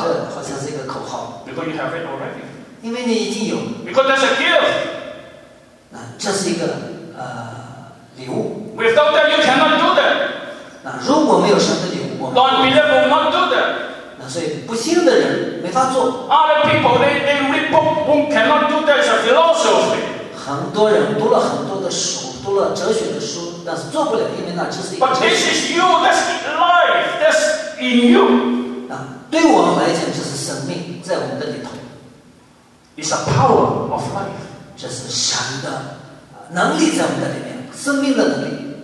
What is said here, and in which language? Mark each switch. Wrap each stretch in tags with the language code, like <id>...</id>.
<zh>这好像是一个口号。</zh> <en>Because you have it already.</en> <zh>因为你已经有。</zh> <en>Because that's a gift.</en> <zh>那这是一个礼物。</zh> <en>Without that, you cannot do that.</en> <zh>那如果没有神的礼物，我们。</zh> <en>God believe will not do that.</en> <zh>那所以不信的人没法做。</zh> <en>Other people they read book who cannot do that is a philosophy.</en> <zh>很多人读了很多的书，读了哲学的书，但是做不了，因为那只是一个。</zh> <en>But this is you. That's life. That's in you.</en> <zh>那对我们来讲，这是生命在我们的里头。</zh> <en>It's a power of life.</en> <zh>这是神的能力在我们的里面，生命的能力。</zh>